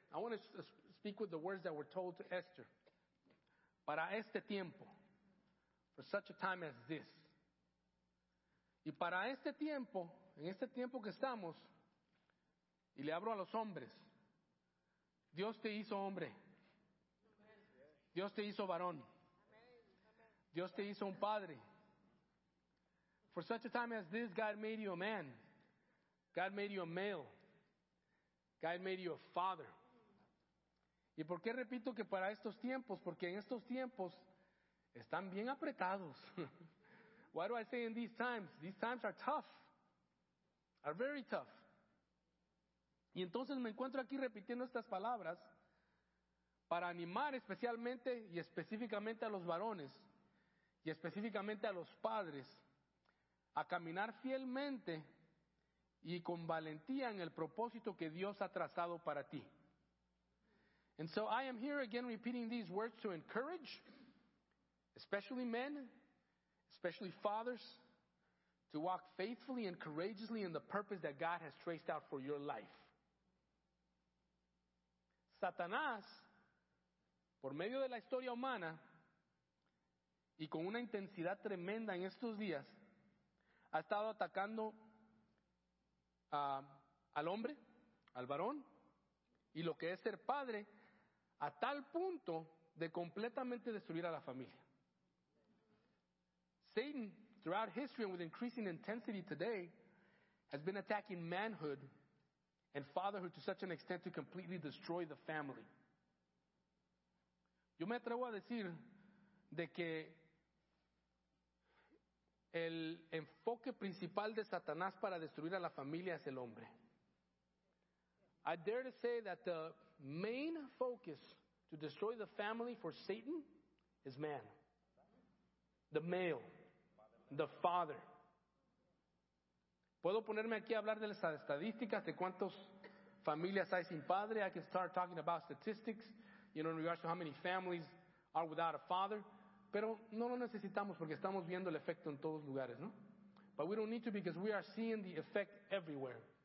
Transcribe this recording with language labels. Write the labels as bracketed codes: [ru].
[en] I want to speak with the words that were told to Esther. [es] Para este tiempo, [en] for such a time as this. [es] Y para este tiempo, en este tiempo que estamos, y le hablo a los hombres, Dios te hizo hombre. Dios te hizo varón. Dios te hizo un padre. [en] For such a time as this, God made you a man. God made you a male. God made you a father. [es] ¿Y por qué repito que para estos tiempos? Porque en estos tiempos están bien apretados. [en] Why do I say in these times? These times are tough. Are very tough. [es] Y entonces me encuentro aquí repitiendo estas palabras para animar especialmente y específicamente a los varones y específicamente a los padres a caminar fielmente y con valentía en el propósito que Dios ha trazado para ti. [en] And so I am here again repeating these words to encourage, especially men, especially fathers, to walk faithfully and courageously in the purpose that God has traced out for your life. [es] Satanás, por medio de la historia humana y con una intensidad tremenda en estos días, ha estado atacando al hombre, al varón, y lo que es ser padre, a tal punto de completamente destruir a la familia. [en] Satan, throughout history and with increasing intensity today, has been attacking manhood and fatherhood to such an extent to completely destroy the family. [es] Yo me atrevo a decir de que El enfoque principal de Satanás para destruir a la familia es el hombre. [en] I dare to say that the main focus to destroy the family for Satan is man. The male. The father. [es] Puedo ponerme aquí a hablar de las estadísticas de cuántas familias hay sin padre. [en] I can start talking about statistics, you know, in regards to how many families are without a father. [es] Pero no lo necesitamos porque estamos viendo el efecto en todos lugares, ¿no? [en] But we don't need to because we are seeing the effect everywhere.